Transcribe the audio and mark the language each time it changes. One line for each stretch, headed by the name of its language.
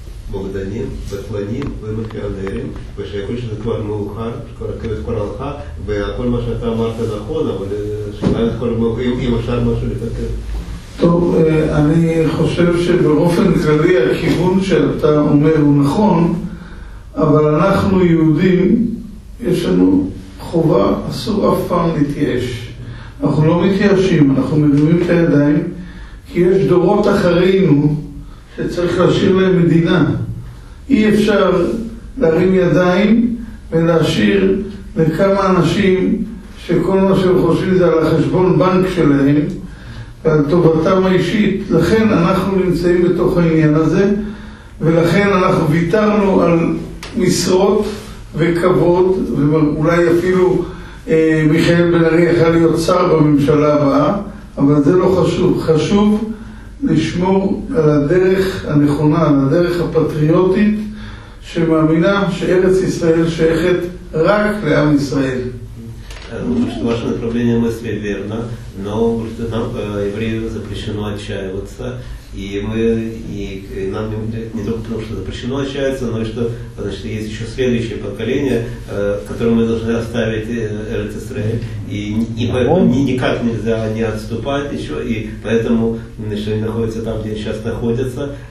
Hebrew: Богданин, Бетланин, Вимахианерин, Вишайкуш, Закуар Мухар, Кривит Куралха, Вакольмаша Тамарта Нахона, Вишайкуш, Вимахар Машулита. טוב, אני חושב שבאופן כללי הכיוון שאתה אומר הוא נכון, אבל אנחנו יהודים, יש לנו חובה, אסור אף פעם להתייאש. אנחנו לא מתייאשים, אנחנו מרימים את הידיים, כי יש דורות אחרינו שצריך להשאיר להם מדינה. אי אפשר להרים ידיים ולהשאיר לכמה אנשים שכל מה שהם חושבים זה על החשבון בנק שלהם ועל טובתם האישית. לכן אנחנו נמצאים בתוך העניין הזה, ולכן אנחנו ויתרנו על משרות וכבוד, ואולי אפילו מיכאל בן-ארי יכול להיות שר בממשלה הבאה, אבל זה לא חשוב. חשוב לשמור על הדרך הנכונה, על הדרך הפטריוטית, שמאמינה שארץ ישראל שייכת רק לעם ישראל.
Russian: Ну, что ваше направление мысли верно, но что нам евреям запрещено отчаиваться, и нам не только потому, что запрещено отчаиваться, но и что, значит, есть еще следующее поколение, которое мы должны оставить Эрец Исраэль, и поэтому никак нельзя не отступать еще, и поэтому, значит, они находятся там, где они сейчас находятся.